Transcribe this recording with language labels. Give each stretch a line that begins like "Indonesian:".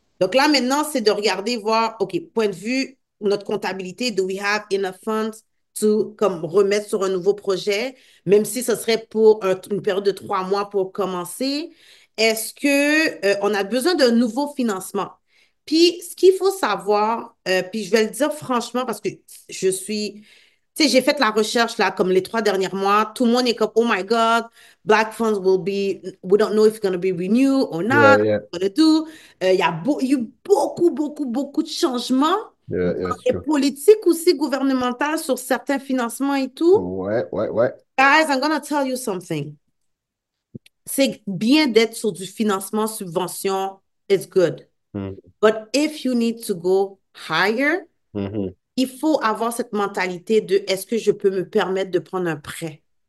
French: Donc là maintenant, c'est de regarder, voir, OK, point de vue, notre comptabilité,
English: do we have enough funds to
French: comme remettre sur un nouveau projet, même si ce serait pour une période de 3 mois pour commencer. Est-ce que on a besoin d'un nouveau financement? Puis, ce qu'il faut savoir, puis je vais le dire franchement parce que je suis, tu sais, j'ai fait la recherche là comme les 3 derniers mois. Tout le monde est comme,
English: oh my God, Black funds will be, we don't know if it's going to be renewed or not, what to do.
French: Il y a beaucoup de changements dans
English: It's
French: les
English: true.
French: politiques aussi gouvernementales sur certains financements et tout.
English: What? Guys, I'm going to tell you something.
French: C'est bien d'être sur du financement, subvention,
English: it's good. But if you need to go higher,
French: il faut avoir cette mentalité de est-ce que je peux me permettre de prendre un prêt?